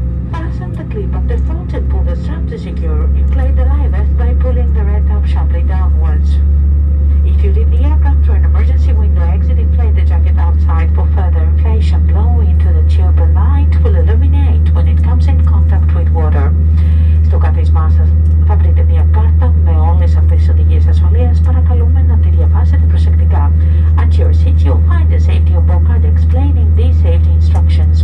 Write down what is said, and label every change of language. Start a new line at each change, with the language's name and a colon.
English: Fasten the clip of the front and pull the strap to secure. Inflate the lightvest by pulling the red top sharply downwards. If you leave the aircraft through an emergency window exit, inflate the jacket outside for further inflation. Blow into the tube and light will illuminate when it comes in contact with water. Stock up these masks.
Greek: Φαβρείτε μια κάρτα με όλες αυτές τις οδηγίες ασφαλείας. Παρακαλούμε να τη διαβάσετε προσεκτικά.
English: At your seat you'll find a safety book card explaining these safety instructions.